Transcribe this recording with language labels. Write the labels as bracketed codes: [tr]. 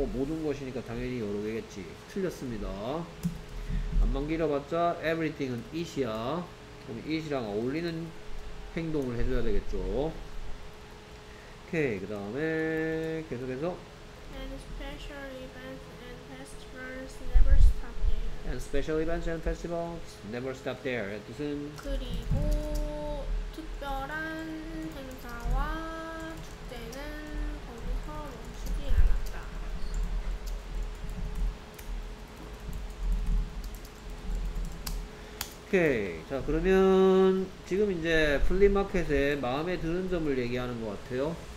[ko] 모든 것이니까 당연히 여러 개겠지. 틀렸습니다. 안만 길어봤자 everything은 it이야. 그럼 it이랑 어울리는 행동을 해줘야 되겠죠. 오케이, 그 다음에 계속해서 [en] And special events and festivals never stop. And special events and festivals never stop there. [ko] 뜻은 그리고 특별한 행사와 축제는 거기서 멈추지 않았다. 오케이. 자, 그러면 지금 이제 플리마켓에 마음에 드는 점을 얘기하는 것 같아요.